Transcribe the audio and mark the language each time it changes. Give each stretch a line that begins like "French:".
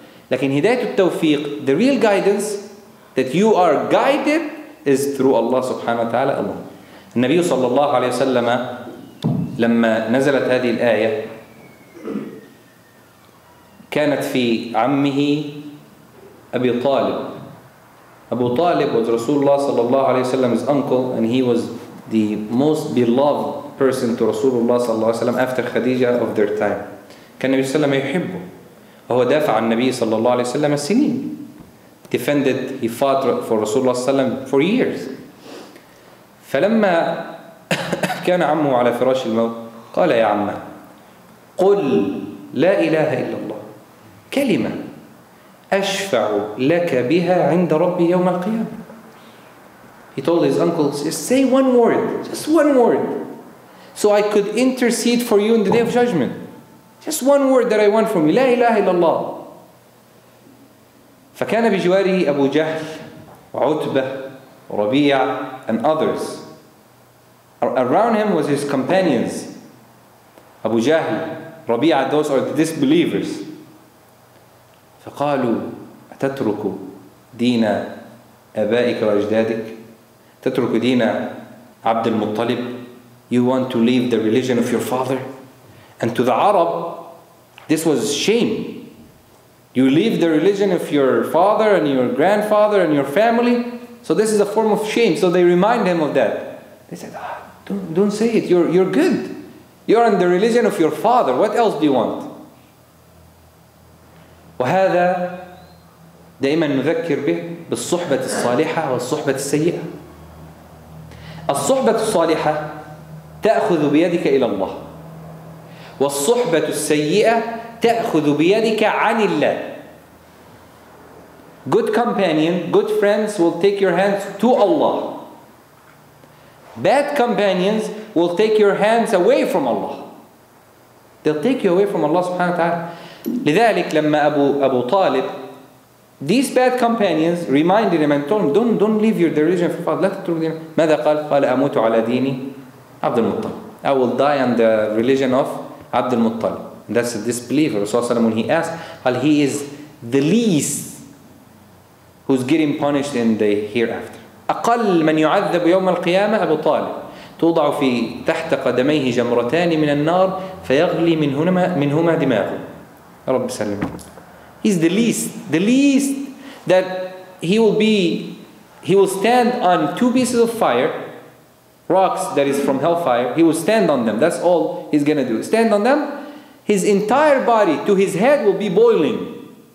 Arabic: لكن هداية التوفيق,
English: the real guidance that you are guided is through Allah سبحانه وتعالى alone.
Arabic: النبي صلى الله عليه وسلم لما نزلت هذه الآية كانت في عمه أبي طالب.
English: Abu Talib was Rasulullah sallallahu alayhi wa sallam's uncle, and he was the most beloved person to Rasulullah sallallahu alayhi wa sallam after Khadija of their time.
Arabic: كان النبي صلى الله عليه وسلم يحبه, وهو دافع عن النبي صلى الله عليه وسلم السنين.
English: Defended, he fought for Rasulullah صلى الله عليه وسلم for years.
Arabic: فلما كان عمه على فراش الموت قال يا عم قل لا إله إلا الله كلمة أشفع لك بها عند ربي يوم القيامة.
English: He told his uncle, say one word, just one word, so I could intercede for you in the day of judgment. Just one word that I want from you.
Arabic: لا إله إلا الله. فكان بجواره أبو جهل وعتبة وربيع
English: and others. Around him was his companions. أبو جهل, ربيع, those are the disbelievers.
Arabic: فقالوا أتترك دين أبائك وأجدادك, تترك دين عبد المطلب,
English: you want to leave the religion of your father. And to the Arab this was shame, you leave the religion of your father and your grandfather and your family, so this is a form of shame. So they remind him of that. They said, ah, don't say it, you're good, you're in the religion of your father, what else do you want?
Arabic: وهذا دائما نذكر به بالصحبة الصالحة والصحبة السيئة. الصحبة الصالحة تأخذ بيدك إلى الله, والصحبة السيئة تأخذ بيدك عن الله.
English: Good companion, good friends will take your hands to Allah. Bad companions will take your hands away from Allah. They'll take you away from Allah سبحانه وتعالى.
Arabic: لذلك لما أبو طالب,
English: these bad companions reminded him and told him, don't leave your religion for father,
Arabic: لا تترك دينك. ماذا قال؟ قال أموت على ديني عبد المطلب,
English: I will die on the religion of
Arabic: عبد المطلب.
English: That's a disbeliever. رسول الله when he asked, well, he is the least who's getting punished in the hereafter.
Arabic: أقل من يعذب يوم القيامة أبو طالب, توضع في تحت قدميه جمرتان من النار فيغلي منهما دماغه. رب سلمه.
English: He's the least that he will stand on two pieces of fire, rocks that is from hellfire, he will stand on them, that's all he's gonna do, stand on them, his entire body to his head will be boiling.